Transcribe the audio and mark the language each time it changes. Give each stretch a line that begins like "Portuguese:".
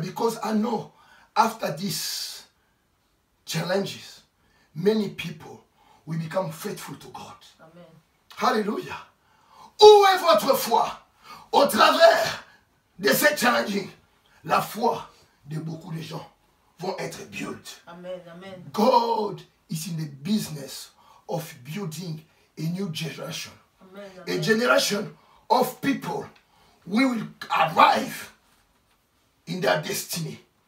English: Because I know after these challenges, many people will become faithful to God. Amen. Hallelujah.
French: Où est votre foi au travers de ces challenges? La foi de beaucoup de gens vont être built. Amen. Amen.
English: God is in the business of building a new generation. Amen, amen. A generation of people who will arrive in their destiny.